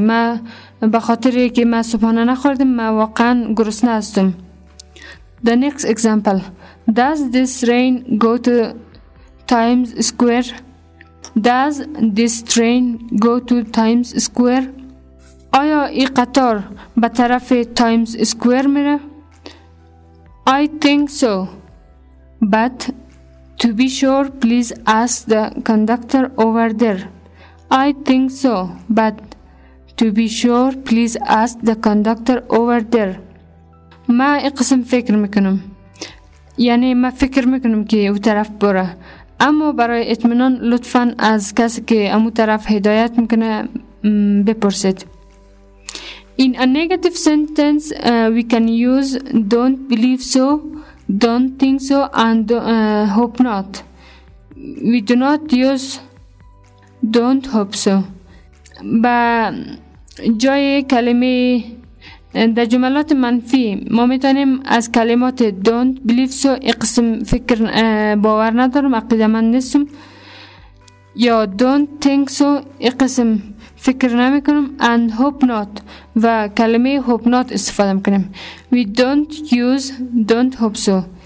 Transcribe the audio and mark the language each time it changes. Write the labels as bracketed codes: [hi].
[fa] ما به خاطر که ما صبحانه نخوردم، ما واقعا گرسنه هستم. [en] The next example. Does this train go to Times Square? Does this train go to Times Square? [fa] آیا ای قطار به طرف تایمز اسکوئر میره؟ I think so. [en] But to be sure, please ask the conductor over there. I think so. But to be sure, please ask the conductor over there. ما ای قسم فکر میکنم. [fa] یعنی ما فکر میکنم که او طرف بره. اما برای اطمینان لطفاً از کسی که امو طرف هدایت میکنه بپرسید. [en] In a negative sentence, we can use don't believe so, don't think so, and hope not. We do not use don't hope so. [fa] با جای کلمه در جملات منفی ما میتونیم از کلمات don't believe so اقسم فکر باور ندارم عقیده من نیستم یا don't think so اقسم فکر نمی کنم and hope not و کلمه hope not استفاده میکنیم we don't use don't hope so